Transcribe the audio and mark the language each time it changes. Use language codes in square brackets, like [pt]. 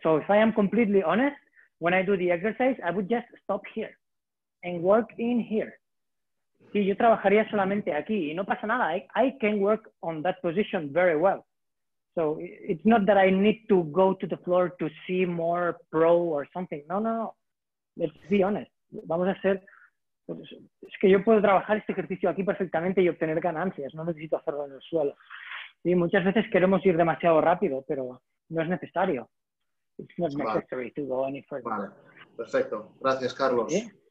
[en] So if I am completely honest, when I do the exercise, I would just stop here and work in here. [es] Sí, yo trabajaría solamente aquí y no pasa nada. [en] I can work on that position very well. So it's not that I need to go to the floor to see more pro or something. No. Let's be honest. Vamos a ser [es] pues es que yo puedo trabajar este ejercicio aquí perfectamente y obtener ganancias, no necesito hacerlo en el suelo. Y muchas veces queremos ir demasiado rápido, pero no es necesario. [en] It's not necessary to go any further. [es] Vale, perfecto. Gracias, Carlos. ¿Sí?